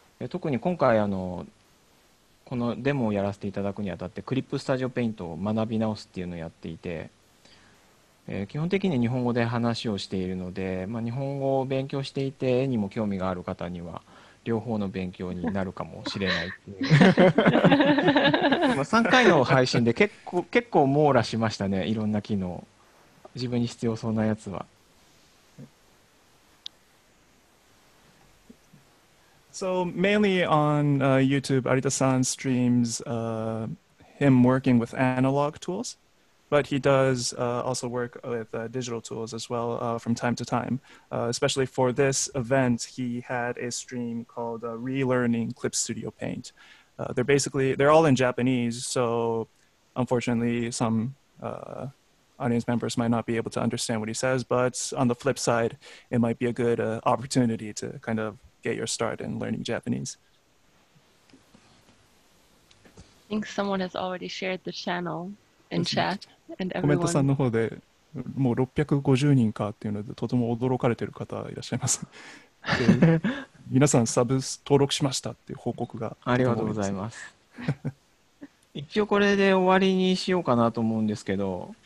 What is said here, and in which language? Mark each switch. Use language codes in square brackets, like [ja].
[ja] 特に今回このデモをやらせていただくにあたって、クリップスタジオペイントを学び直すっていうのをやっていて、基本的に日本語で話をしているので、まあ、日本語を勉強していて絵にも興味がある方には、両方の勉強になるかもしれないっていう。まあ3回の配信で結構網羅しましたね、いろんな機能、自分に必要そうなやつは。 [en] So mainly on YouTube, Arita-san streams him working with analog tools, but he does also work with digital tools as well from time to time. Especially for this event, he had a stream called Relearning Clip Studio Paint. They're all in Japanese, so unfortunately some audience members might not be able to understand what he says, but on the flip side, it might be a good opportunity to kind of get your start in learning Japanese. I think someone has already shared the channel in chat and everyone. [ja] コメントさんの方でもう650人かっていうのでとても驚かれてる方いらっしゃいます。皆さんサブ登録しましたっていう報告が。ありがとうございます。一応これで終わりにしようかなと思うんですけど、